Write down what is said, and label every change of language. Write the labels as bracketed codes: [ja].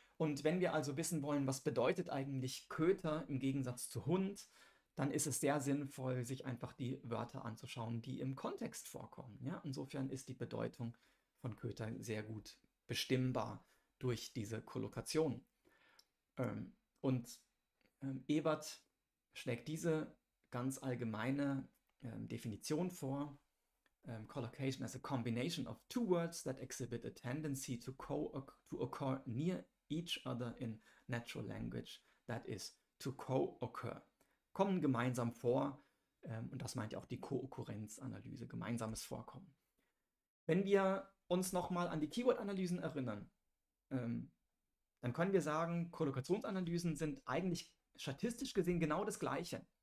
[de] Und wenn wir also wissen wollen, was bedeutet eigentlich Köter im Gegensatz zu Hund, dann ist es sehr sinnvoll, sich einfach die Wörter anzuschauen, die im Kontext vorkommen. Ja? Insofern ist die Bedeutung von Köter sehr gut bestimmbar durch diese Kollokation. Und Ebert schlägt diese ganz allgemeine Definition vor, [en] collocation as a combination of two words that exhibit a tendency to occur near each other in natural language, that is, to co-occur. [de] Kommen gemeinsam vor, und das meint ja auch die Ko-Okkurrenz-Analyse, gemeinsames Vorkommen. Wenn wir uns nochmal an die Keyword-Analysen erinnern, dann können wir sagen, Kollokationsanalysen sind eigentlich statistisch gesehen genau das Gleiche.